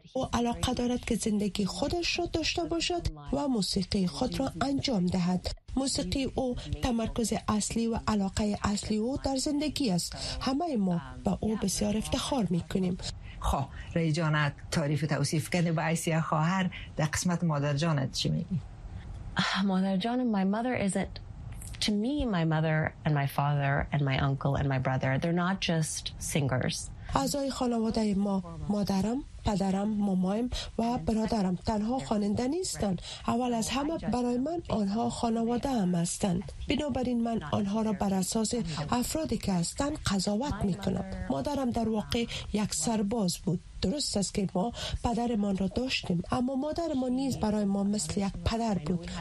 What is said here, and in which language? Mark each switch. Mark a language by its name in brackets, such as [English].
[Persian] او علاقه دارد که زندگی خودش را داشته باشد و موسیقی خود را انجام دهد. موسیقی او تمرکز اصلی و علاقه اصلی او در زندگی است. همه ما به او بسیار افتخار میکنیم. خب رهی جان تعریف و توصیف کنه با ایسی خواهر در قسمت مادر جانت چی میگی؟ مادر جانم [English] my mother isn't to me my mother and my father and my uncle and my brother they're not just singers. [Persian] اعضای خانواده ما مادرم پدرم مامایم و برادرم تنها خواننده نیستند. اول از همه برای من آنها خانواده هم هستند. بنابراین من آنها را بر اساس افرادی که هستند قضاوت میکنم. مادرم در واقع یک سرباز بود. درست است که ما پدرمان را داشتیم، اما مادرمان نیز برای ما مثل یک پدر بود.